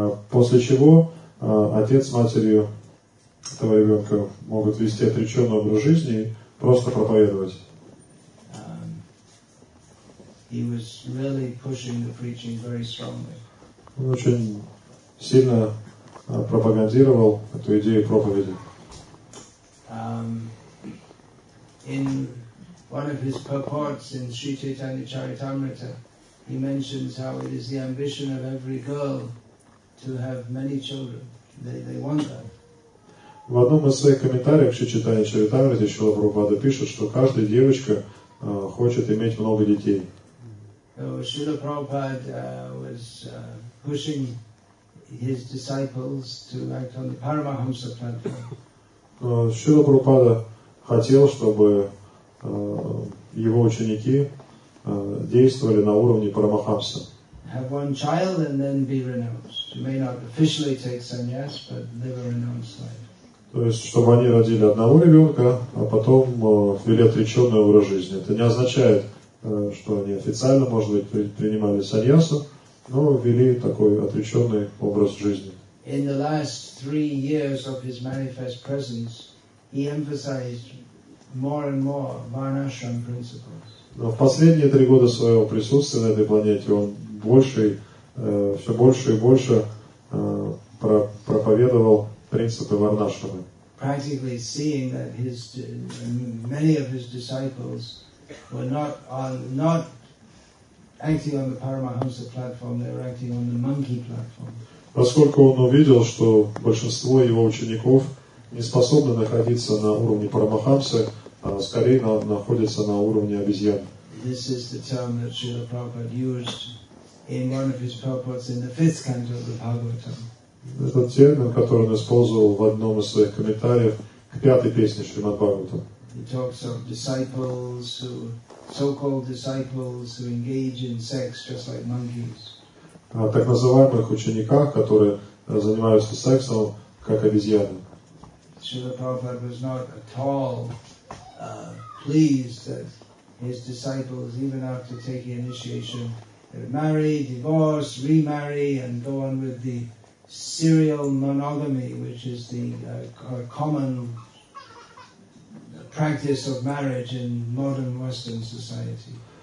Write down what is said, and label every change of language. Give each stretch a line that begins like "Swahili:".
Russian: После чего отец с матерью этого ребенка могут вести отреченный образ жизни и просто проповедовать.
English: He was really pushing the preaching very strongly.
Russian: Он очень сильно пропагандировал эту идею проповеди.
English: In one of his purports in Sri Chaitanya Charitamrita, he mentions how it is the ambition of every girl to have many children. They want that.
Russian: В одном из своих комментариев к Шри Чайтанья Чаритамрите Шрила Прабхупада пишет, что каждая девочка хочет иметь много детей.
English: Шрила Прабхупада was pushing his disciples to act on the Paramahamsa platform.
Russian: Шрила Прабхупада хотел, чтобы его ученики действовали на уровне Парамахамса.
English: Have one child and then be renounced. You may not officially take sannyas, but live a renounced life.
Russian: То есть, чтобы они родили одного ребенка, а потом ввели отреченный образ жизни. Это не означает, что они официально, может быть, принимали саньясу, но ввели такой отреченный образ жизни.
English: In the last three years of his manifest presence, he emphasized more and more varnashram principles.
Russian: Но в последние три года своего присутствия на этой планете он больше, все больше и больше проповедовал принципы варнашрамы.
English: Practically seeing that his many of his disciples were not acting on the Paramahamsa platform, they were acting on the monkey platform.
Russian: Поскольку он увидел, что большинство его учеников не способны находиться на уровне Парамахамсы, а скорее находятся на уровне обезьян.
English: This is the term that Srila Prabhupada used in one of his purports in the fifth canto of the Bhagavatam.
Russian: Этот термин, который он использовал в одном из своих комментариев к пятой песне Шримад-Бхагаватам.
English: He talks of disciples, who, so-called disciples, who engage in sex just like monkeys.
Russian: О так называемых учениках, которые занимаются сексом, как обезьяны.
English: Srila Prabhupada was not at all pleased that his disciples, even after taking initiation, they would marry, divorce, remarry, and go on with the serial monogamy, which is the common practice of marriage in modern Western society.